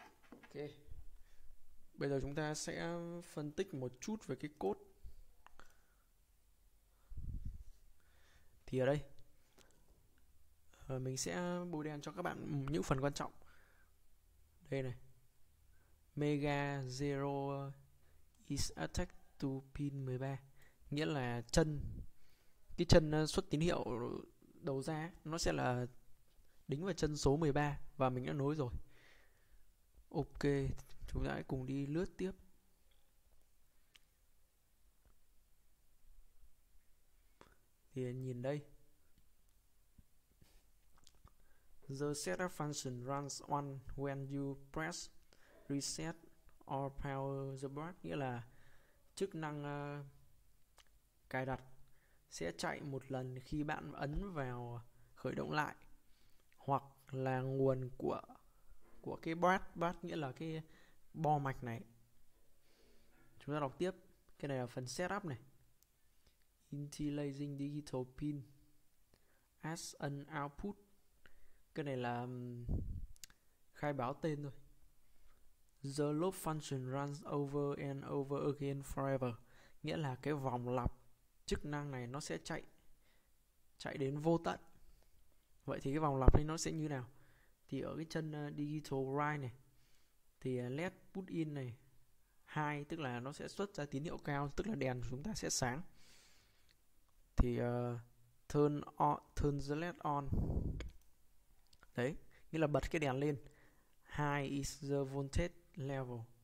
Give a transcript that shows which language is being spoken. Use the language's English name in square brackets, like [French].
[Vietnamese] Ok. Bây giờ chúng ta sẽ phân tích một chút về cái code. Thì ở đây mình sẽ bôi đen cho các bạn những phần quan trọng. Đây này. [English] Mega Zero is attached to pin 13. [Vietnamese] Nghĩa là chân, cái chân xuất tín hiệu đầu ra nó sẽ là đính vào chân số 13 và mình đã nối rồi. Ok, chúng ta hãy cùng đi lướt tiếp. Thì nhìn đây. [English] The setup function runs on when you press reset or power the board, [Vietnamese] nghĩa là chức năng cài đặt sẽ chạy một lần khi bạn ấn vào khởi động lại, hoặc là nguồn của cái board, board nghĩa là cái bo mạch này. Chúng ta đọc tiếp, cái này là phần setup này. [English] Interlacing digital pin as an output. [Vietnamese] Cái này là khai báo tên thôi. [English] The loop function runs over and over again forever. [Vietnamese] Nghĩa là cái vòng lặp chức năng này nó sẽ chạy chạy đến vô tận. Vậy thì cái vòng lặp này nó sẽ như nào? Thì ở cái chân digital write này thì led put in này 2 tức là nó sẽ xuất ra tín hiệu cao, tức là đèn của chúng ta sẽ sáng. Thì [English] turn the led on. [Vietnamese] Đấy, nghĩa là bật cái đèn lên. [English] High is the voltage level.